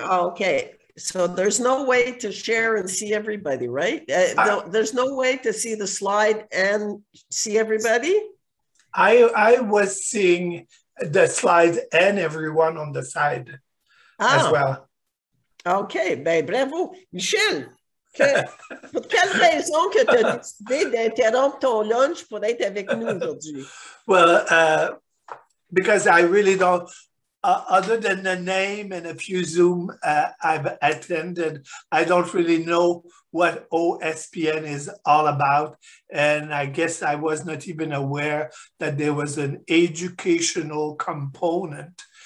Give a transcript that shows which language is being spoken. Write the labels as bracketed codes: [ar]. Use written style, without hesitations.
[en] Okay, so there's no way to share and see everybody, right? There's no way to see the slide and see everybody? I was seeing the slide and everyone on the side. Ah. As well. [fr] OK, ben bravo. Michel, pour quelle raison que tu as décidé d'interrompre ton lunch pour être avec nous aujourd'hui? [en] Well, because I really don't Other than the name and a few Zoom I've attended, I don't really know what OSPN is all about. And I guess I was not even aware that there was an educational component.